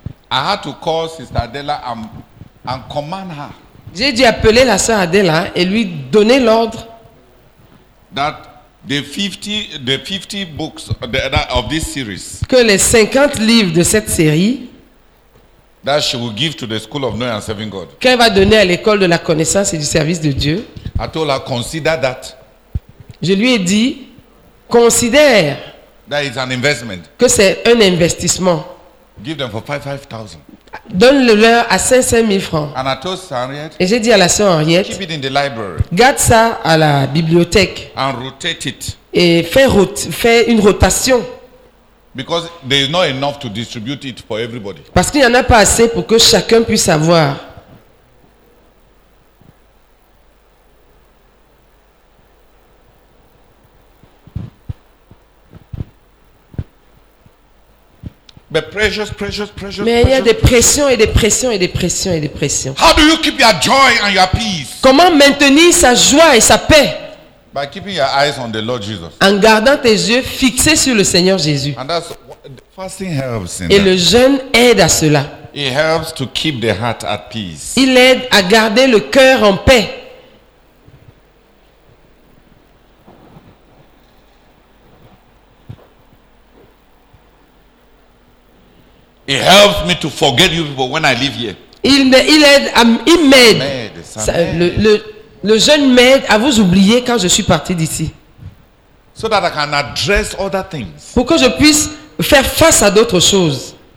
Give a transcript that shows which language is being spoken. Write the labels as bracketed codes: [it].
[en] I had to call Sister Adela and command her. [fr] J'ai dû appeler la sœur Adela et lui donner l'ordre. [en] That the 50 books of this series. [fr] Que les 50 livres de cette série. [en] That she will give to the school of knowing and serving God. [fr] Qu'elle va donner à l'école de la connaissance et du service de Dieu. [en] I told her consider that. [fr] Je lui ai dit considère. [en] That is an investment. [fr] Que c'est un investissement. [en] Give them for 5,000. [fr] Donne-leur à 5,000 francs. [en] And I told Henriette, [fr] et j'ai dit à la sœur Henriette, [en] keep it in the library. [fr] Garde ça à la bibliothèque. [en] And rotate it. [fr] Et fais une rotation. [en] Because there is not enough to distribute it for everybody. [fr] Parce qu'il n'y en a pas assez pour que chacun puisse avoir. [en] But precious, precious, precious, [fr] mais il y a Des pressions et des pressions et des pressions et des pressions. [en] How do you keep your joy and your peace? [fr] Comment maintenir sa joie et sa paix? [en] By keeping your eyes on the Lord Jesus. [fr] En gardant tes yeux fixés sur le Seigneur Jésus. [en] And that's what, the fasting helps in [fr] et [en] that. [fr] Le jeûne aide à cela. [en] It helps to keep the heart at peace. [fr] Il aide à garder le cœur en paix. [en] It helps me to forget you people when I leave here. [fr] Il m'aide. Ça, le jeune m'aide à vous oublier quand je suis parti d'ici. [en] So that I can address other things. [fr] Pour que je puisse faire face à d'autres choses.